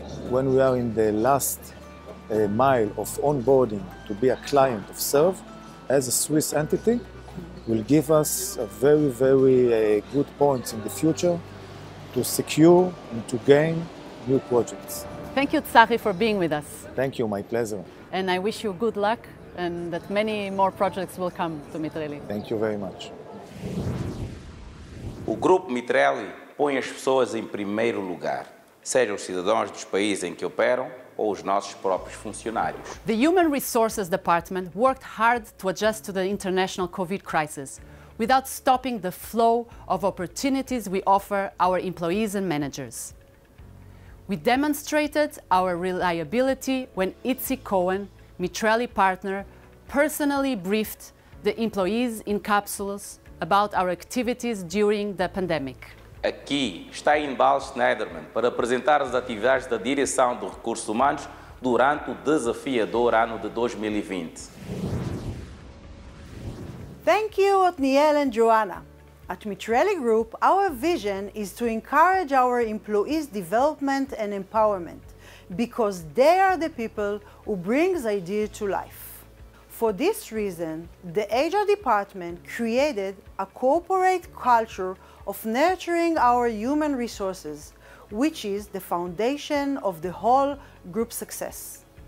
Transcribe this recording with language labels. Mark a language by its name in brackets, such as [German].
[English] When we are in the last mile of onboarding to be a client of Serve as a Swiss entity, will give us a very, very good points in the future to secure and to gain new projects. Thank you, Tsachi, for being with us. Thank you, my pleasure. And I wish you good luck and that many more projects will come to Mitrelli. Thank you very much. [Portuguese] O grupo Mitrelli põe as pessoas em primeiro lugar, sejam os cidadãos dos países em que operam ou os nossos próprios funcionários. [English] The Human Resources Department worked hard to adjust to the international COVID crisis without stopping the flow of opportunities we offer our employees and managers. We demonstrated our reliability when Itzi Cohen, Mitrelli partner, personally briefed the employees in capsules about our activities during the pandemic. [Portuguese] Aqui está Inbal Schneiderman para apresentar as atividades da Direção do Recursos Humanos durante o desafiador ano de 2020. [English] Thank you, Otniel and Joanna. At Mitrelli Group, our vision is to encourage our employees' development and empowerment because they are the people who bring the idea to life. For this reason, the HR department created a corporate culture of nurturing our human resources, which is the foundation of the whole group success.